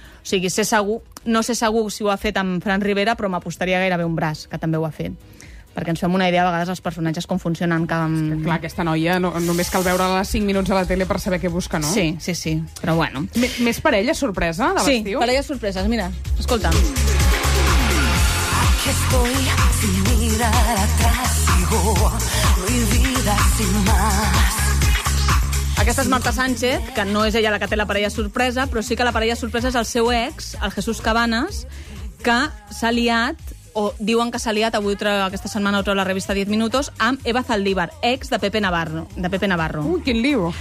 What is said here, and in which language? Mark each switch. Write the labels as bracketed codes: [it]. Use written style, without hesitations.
[ca] O sigui, sé segur, no sé segur si ho ha fet amb Fran Rivera, però m'apostaria gairebé un braç, que també ho ha fet. Perquè ens fem una idea, a vegades, els personatges com funcionen. Que... Clar, aquesta noia, no, només cal veure-la 5 minuts a la tele per saber què busca, no? Sí, sí, sí, però bueno. Més parella sorpresa de l'estiu? Sí, parella sorpresa, mira, escolta. [es] Aquí estoy sin mirar atrás, sigo mi vida sin más. [ca] Aquesta és Marta Sánchez, que no és ella la que té la parella sorpresa, però sí que la parella sorpresa és el seu ex, el Jesús Cabanes, que s'ha liat, o diuen que s'ha liat, avui aquesta setmana ho treu la revista 10 Minutos, amb Eva Zaldívar, ex de Pepe Navarro. Quin lío.